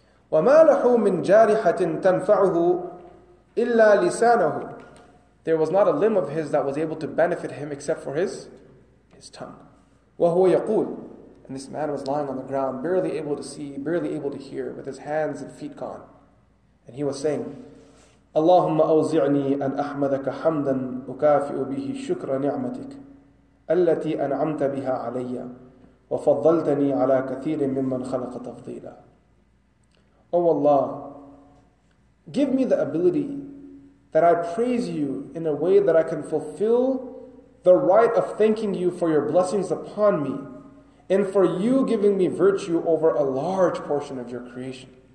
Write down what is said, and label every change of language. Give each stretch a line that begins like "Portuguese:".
Arabic: Wa ma lahu min jarihatin tanfa'uhu illa lisanahu.
English: There was not a limb of his that was able to benefit him except for his tongue.
Arabic: وَهُوَ يَقُولُ.
English: And this man was lying on the ground, barely able to see, barely able to hear, with his hands and feet gone. And he was saying,
Arabic: اللهم أوزعني أن أحمدك حمدا أكافئ به شكر نعمتك التي أنعمت بها علي وفضلتني على كثير ممن خلق تفضيلا.
English: Oh Allah, give me the ability that I praise you in a way that I can fulfill the right of thanking you for your blessings upon me and for you giving me virtue over a large portion of your creation.